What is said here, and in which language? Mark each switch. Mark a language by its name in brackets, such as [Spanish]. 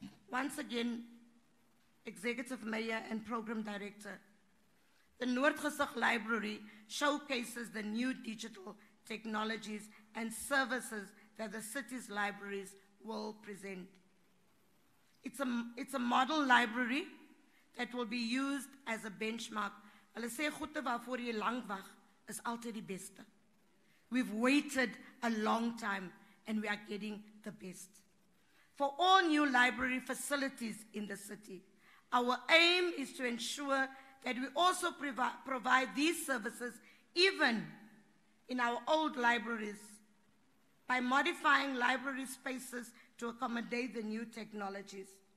[English] Once again, Executive Mayor and Program Director, the Noordgesig Library showcases the new digital technologies and services that the city's libraries will present. It's a model library that will be used as a benchmark. [Afrikaans] Hulle sê goede waarvoor jy lang wag is altyd die beste. [English] We've waited a long time and we are getting the best. For all new library facilities in the city, our aim is to ensure that we also provide these services even in our old libraries by modifying library spaces to accommodate the new technologies.